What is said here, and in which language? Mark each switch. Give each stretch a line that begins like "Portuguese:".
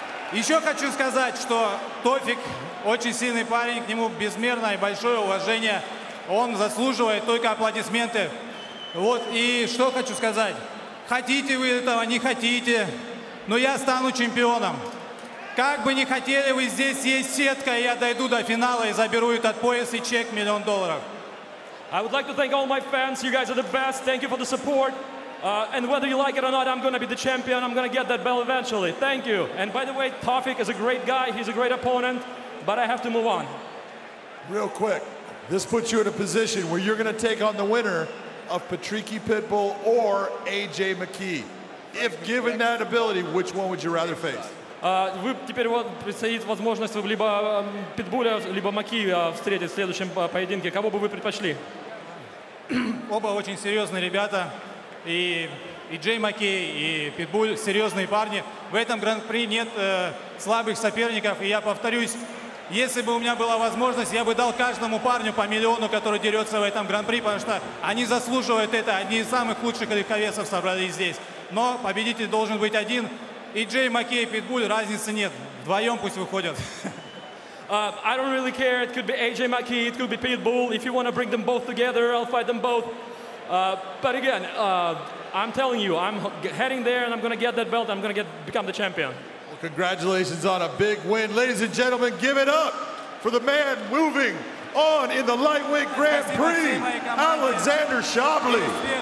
Russian: Еще хочу сказать, что Тофик очень сильный парень, к нему безмерное большое уважение. Он заслуживает только аплодисменты. Вот, и что хочу сказать. Хотите вы этого, не хотите, но я стану чемпионом. Как бы не хотели вы, здесь есть сетка, я дойду до финала и заберу этот пояс и чек $1 million.
English: I would like to thank all my fans. You guys are the best. Thank you for the support. And whether you like it or not, I'm going to be the champion. I'm going to get that belt eventually. Thank you. And by the way, Tofiq is a great guy. He's a great opponent. But I have to move on. Real quick, this puts you in a position where you're going to take on the winner of Patricky Pitbull or AJ McKee. If given that ability, which one would you rather face?
Russian: Теперь вот предстоит возможность либо Питбуля, либо Маки встретить в следующем поединке. Кого бы вы предпочли? Оба очень серьезные ребята. И Джей Маки, и Питбуль серьезные парни. В этом гран-при нет слабых соперников. И я повторюсь, если бы у меня была возможность, я бы дал каждому парню по миллиону, который дерется в этом гран-при, потому что они заслуживают это. Одни из самых лучших легковесов собрались здесь. Но победитель должен быть один. И Джей Маккей, Питбуль, разницы нет. Вдвоем пусть выходят.
English: I don't really care. It could be AJ Maccei, it could be Pitbull. If you want to bring them both together, I'll fight them both. But again, I'm telling you, I'm heading there and I'm going to get that belt. I'm going to become the champion. Well, congratulations on a big win. Ladies and gentlemen, give it up for the man moving on in the lightweight Grand Prix, Alexander Shabily.